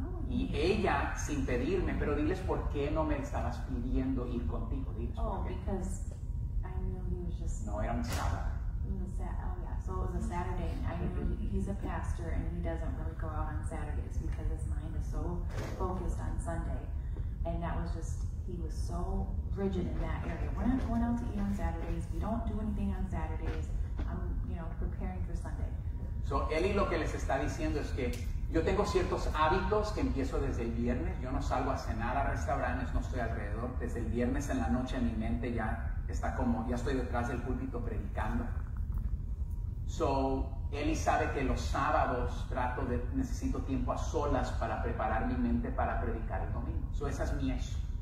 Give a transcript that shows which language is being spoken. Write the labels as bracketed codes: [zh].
[es] Y ella, sin pedirme, pero diles por qué no me estabas pidiendo ir contigo, diles por qué. [en] Because I knew he was just... [es] No, era un sábado. [en] So it was a Saturday, and I knew he's a pastor, and he doesn't really go out on Saturdays because his mind is so focused on Sunday. And that was just, he was so rigid in that area. We're not going out to eat on Saturdays. We don't do anything on Saturdays. I'm, you know, preparing for Sunday. [es] So Eli lo que les está diciendo es que yo tengo ciertos hábitos que empiezo desde el viernes. Yo no salgo a cenar a restaurantes, no estoy alrededor. Desde el viernes en la noche mi mente ya está como, ya estoy detrás del púlpito predicando. So, Eli sabe que los sábados trato de, necesito tiempo a solas para preparar mi mente para predicar el domingo. So, esa es mi eso.